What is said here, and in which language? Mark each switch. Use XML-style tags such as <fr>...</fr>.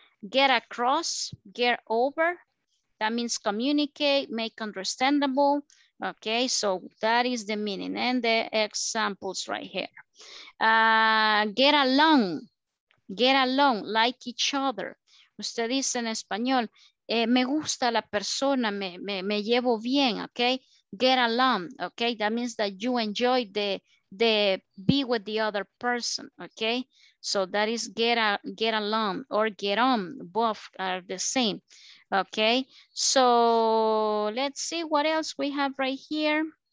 <en>get across, get over, that means communicate, make understandable, okay? So that is the meaning and the examples right here. Get along, like each other.</en> <es>Usted dice en español, me gusta la persona, me llevo bien, okay?</es> <en>Get along, okay? That means that you enjoy the be with the other person, okay? So that is get along or get on. Both are the same. Okay. So let's see what else we have right here.</en>